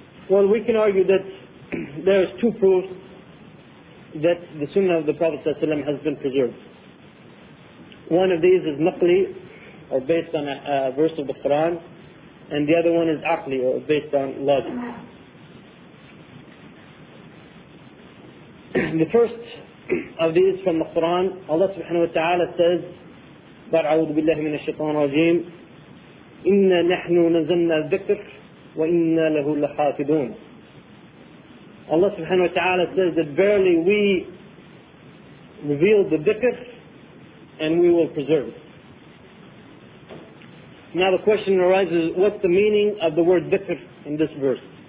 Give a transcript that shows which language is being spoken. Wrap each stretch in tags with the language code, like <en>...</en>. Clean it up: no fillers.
<en>Well, we can argue that there is two proofs that the Sunnah of the Prophet sallallahu alayhi wa sallam has been preserved. One of these is naqli, or based on a verse of the Quran, and the other one is aqli, or based on logic. The first of these from the Quran, Allah subhanahu wa ta'ala says,</en> <ar>بَعَوْدُ بِاللَّهِ مِنَ الشَّيْطَانِ الرَّجِيمِ إِنَّا نَحْنُ نَزَلْنَا الذِّكْرِ وَإِنَّا لَهُ لَحَافِدُونَ.</ar> <en>Allah subhanahu wa ta'ala says that verily we revealed the dhikr and we will preserve it. Now the question arises, what's the meaning of the word dhikr in this verse?</en>